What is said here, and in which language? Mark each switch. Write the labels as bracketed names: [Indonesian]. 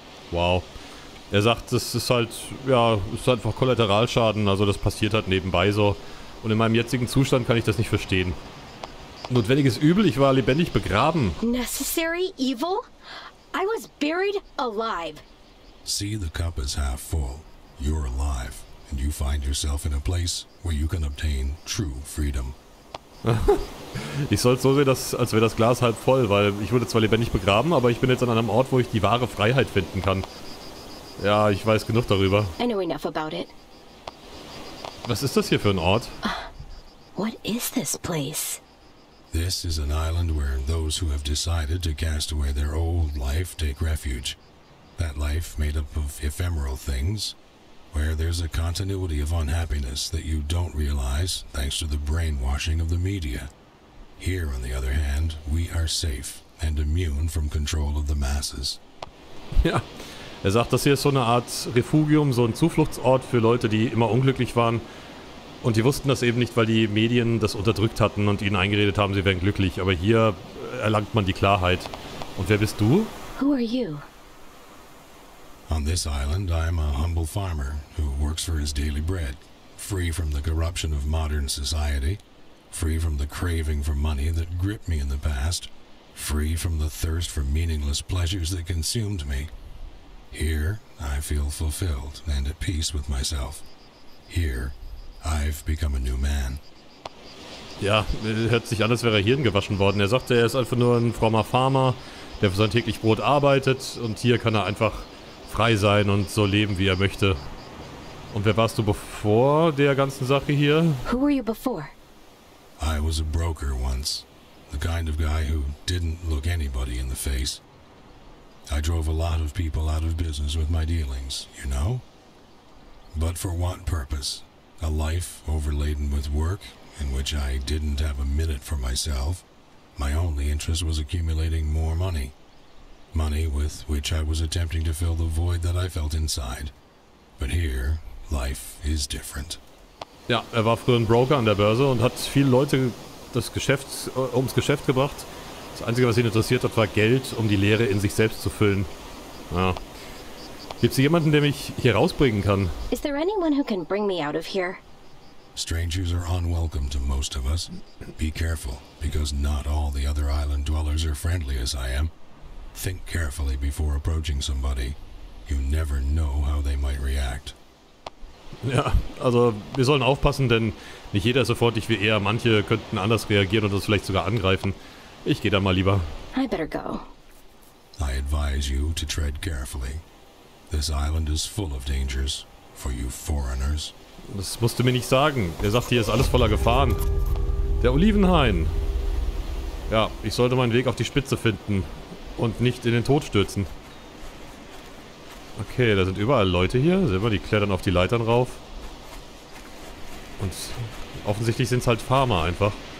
[German] Wow. Er sagt, das ist halt, ja, ist einfach Kollateralschaden, also das passiert halt nebenbei so. Und in meinem jetzigen Zustand kann ich das nicht verstehen. Notwendiges Übel, ich war lebendig begraben. [English] Necessary evil? I was buried alive. See, the cup is half full. You're alive. And you find yourself in a place where you can obtain true freedom. [German] Ich soll es so sehen, dass, als wäre das Glas halb voll, weil ich wurde zwar lebendig begraben, aber ich bin jetzt an einem Ort, wo ich die wahre Freiheit finden kann. Ja, ich weiß genug darüber. [English] I know enough about it. [German] Was ist das hier für ein Ort? [English] What is this place? This is an island where those who have decided to cast away their old life take refuge. That life made up of ephemeral things, where there's a continuity of unhappiness that you don't realize thanks to the brainwashing of the media. Here, on the other hand, we are safe and immune from control of the masses. [German] Ja, er sagt, das hier ist so eine Art Refugium, so ein Zufluchtsort für Leute, die immer unglücklich waren. Und die wussten das eben nicht, weil die Medien das unterdrückt hatten und ihnen eingeredet haben, sie wären glücklich. Aber hier erlangt man die Klarheit. Und wer bist du? [English] Who are you? On this island, I'm a humble farmer who works for his daily bread, free from the corruption of modern society, free from the craving for money that gripped me in the past, free from the thirst for meaningless pleasures that consumed me. Here, I feel fulfilled and at peace with myself. Here, I've become a new man. [German] Ja, hört sich an, als wäre er Hirn gewaschen worden. Er sagte, er ist einfach nur ein frommer Farmer, der für sein täglich Brot arbeitet und hier kann er einfach frei sein und so leben, wie er möchte. Und wer warst du bevor der ganzen Sache hier? [English] Who were you before? I was a broker once. The kind of guy who didn't look anybody in the face. I drove a lot of people out of business with my dealings, you know? But for what purpose? A life overladen with work, in which I didn't have a minute for myself. My only interest was accumulating more money. Money with which I was attempting to fill the void that I felt inside. But here, life is different. [German] Ja, er war früher ein Broker an der Börse und hat viele Leute das Geschäft ums Geschäft gebracht. Das Einzige, was ihn interessiert hat, war Geld, um die Leere in sich selbst zu füllen. Ja. Gibt's hier jemanden, der mich hier rausbringen kann? [English] Is there anyone who can bring me out of here? Strangers are unwelcome to most of us. Be careful, because not all the other island dwellers are friendly as I am. Think carefully before approaching somebody. You never know how they might react. [German] Ja, also wir sollen aufpassen, denn nicht jeder ist so freundlich wie er. Manche könnten anders reagieren und uns vielleicht sogar angreifen. Ich gehe da mal lieber. [English] I better go. I advise you to tread carefully. This island is full of dangers for you foreigners. [German] Das musst du mir nicht sagen. Er sagt, hier ist alles voller Gefahren. Der Olivenhain. Ja, ich sollte meinen Weg auf die Spitze finden und nicht in den Tod stürzen. Okay, da sind überall Leute hier. Sehen wir, die klettern auf die Leitern rauf. Und offensichtlich sind es halt Farmer einfach.